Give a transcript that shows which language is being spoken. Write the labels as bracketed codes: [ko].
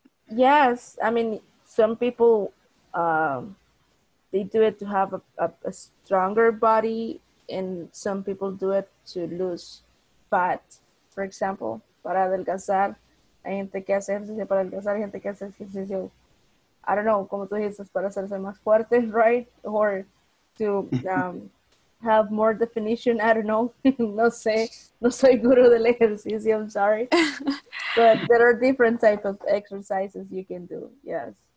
[en] Yes, I mean some people they do it to have a stronger body, and some people do it to lose fat, for example, [es] para adelgazar. Hay gente que hace ejercicio para adelgazar, hay gente que hace ejercicio. [en] I don't know, [es] como tú dices, para hacerse más fuerte, right? [en] Or to have more definition, I don't know. [es] No sé, no soy guru del ejercicio, [en] I'm sorry. But there are different types of exercises you can do, yes.